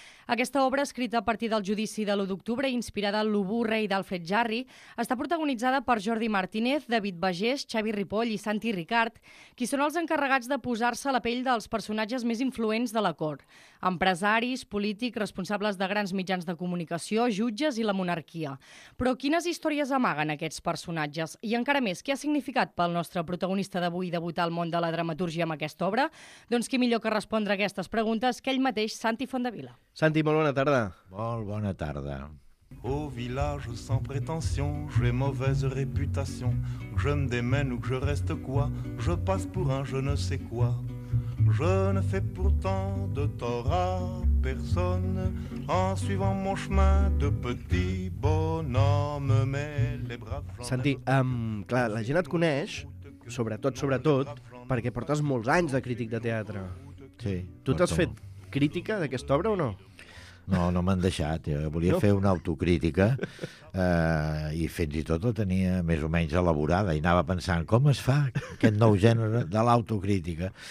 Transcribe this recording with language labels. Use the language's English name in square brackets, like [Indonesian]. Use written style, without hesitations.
[Catalan] Aquesta obra, escrita a partir del judici de l'1 d'octubre, inspirada en l'Ubu Rei d'Alfred Jarry, està protagonitzada per Jordi Martínez, David Bagés, Xavi Ripoll i Santi Ricart, qui són els encarregats de posar-se a la pell dels personatges més influents de la cort: empresaris, polítics, responsables de grans mitjans de comunicació, jutges i la monarquia. Però quines històries amaguen aquests personatges? I encara més, què ha significat pel nostre protagonista d'avui debutar al món de la dramatúrgia amb aquesta obra? Doncs qui millor que respondre a aquestes preguntes que ell mateix, Santi Fontdevila. Santi, molt bona tarda. Molt bona tarda. [French] Au village sans prétention, j'ai mauvaise réputation. Je me démène ou je reste quoi? Je passe pour un je ne sais quoi. Je ne fais pourtant de tort à personne en suivant mon chemin de petit bonhomme. Mais les braves gens... [Catalan] Santi, clar, la gent et coneix, sobretot, perquè portes molts anys de crític de teatre. Sí. Tu t'has fet crítica d'aquesta obra o no? No m'han deixat. Jo volia fer una autocrítica i fins i tot la tenia més o menys elaborada i anava pensant com es fa aquest nou gènere de l'autocrítica.